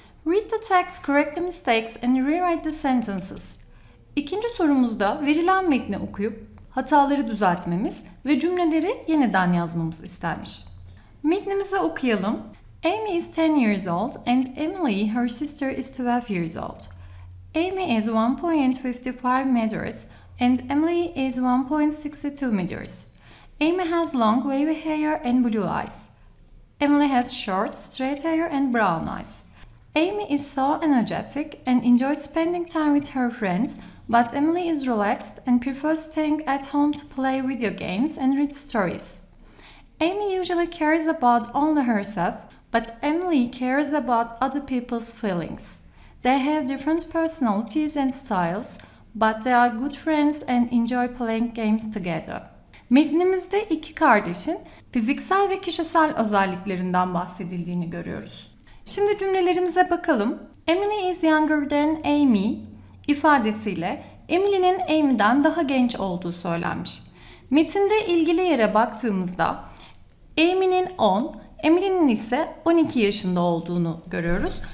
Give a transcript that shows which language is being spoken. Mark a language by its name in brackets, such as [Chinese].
[English] Read the text, correct the mistakes and rewrite the sentences. [Turkish] İkinci sorumuzda verilen metni okuyup hataları düzeltmemiz ve cümleleri yeniden yazmamız istenmiş. Metnimizi okuyalım. [English] Amy is 10 years old and Emily, her sister, is 12 years old. Amy is 1.55 meters and Emily is 1.62 meters. Amy has long wavy hair and blue eyes. Emily has short straight hair and brown eyes. Amy is so energetic and enjoys spending time with her friends, but Emily is relaxed and prefers staying at home to play video games and read stories. Amy usually cares about only herself, but Emily cares about other people's feelings. They have different personalities and styles, but they are good friends and enjoy playing games together. [Turkish] Metnimizde iki kardeşin fiziksel ve kişisel özelliklerinden bahsedildiğini görüyoruz. Şimdi cümlelerimize bakalım. [English] Emily is younger than Amy [Turkish] ifadesiyle Emily'nin Amy'den daha genç olduğu söylenmiş. Metinde ilgili yere baktığımızda Amy'nin 10, Emily'nin ise 12 yaşında olduğunu görüyoruz.